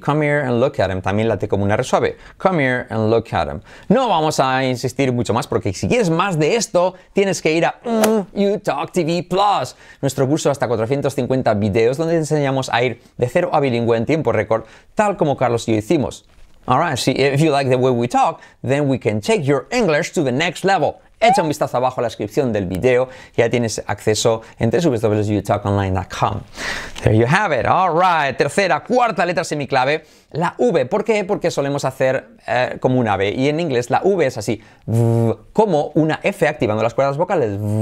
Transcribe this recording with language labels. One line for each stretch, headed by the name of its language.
English: Come here and look at him.
Spanish: También la T como una R suave.
English: Come here and look at him.
Spanish: No vamos a insistir mucho más porque si quieres más de esto, tienes que ir a YouTalk TV Plus. Nuestro curso de hasta 450 videos donde te enseñamos a ir de cero a bilingüe en tiempo récord, tal como Carlos y yo hicimos.
English: Alright, see, if you like the way we talk, then we can take your English to the next level.
Spanish: Echa un vistazo abajo a la descripción del video y ya tienes acceso en www.youtalkonline.com.
English: There you have it. All right.
Spanish: Tercera, cuarta letra semiclave, la V. ¿Por qué? Porque solemos hacer como una V. Y en inglés la V es así, como una F activando las cuerdas vocales.